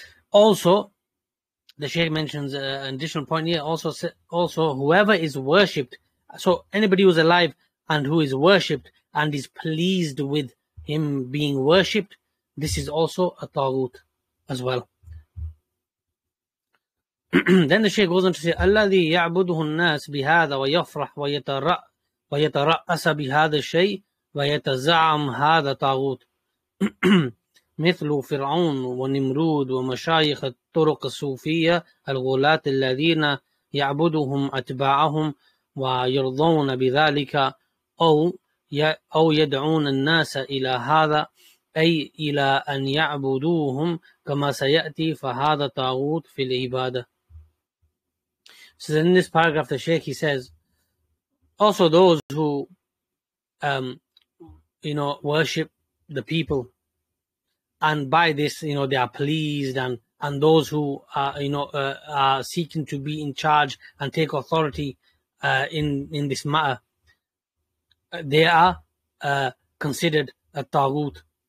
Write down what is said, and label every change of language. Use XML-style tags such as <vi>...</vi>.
<en>Also, the Shaykh mentions an additional point here. Also, whoever is worshipped, so anybody who is alive and who is worshipped and is pleased with him being worshipped, this is also a taghut as well. Then the Shaykh goes on to say,</en> <ar>الَّذِي يَعْبُدُهُ النَّاسِ بِهَذَا وَيَفْرَحْ وَيَتَرَأَسَ بِهَذَا الشَّيْءِ وَيَتَزَعَمْ هَذَا تَاغُوتِ مِثْلُ فِرْعُونَ وَنِمْرُودَ وَمَشَايِخَ الطُّرُقِ الصُّوفِيَّةِ الْغُلَاةِ الَّذِينَ يَعْبُدُهُمْ أَتْبَاعَهُمْ وَيَرْضَوْنَ بِذَلِكَ أَوْ يَدْعُونَ النَّاسَ إِلَى هَذَا أي إلى أن يعبدوهم كما سيأتي فهذا طاغوت في العبادة.</ar> <en>So in this paragraph the Shaykh, he says, also those who worship the people, and by this they are pleased, and those who are seeking to be in charge and take authority in this matter, they are considered a taghut.</en>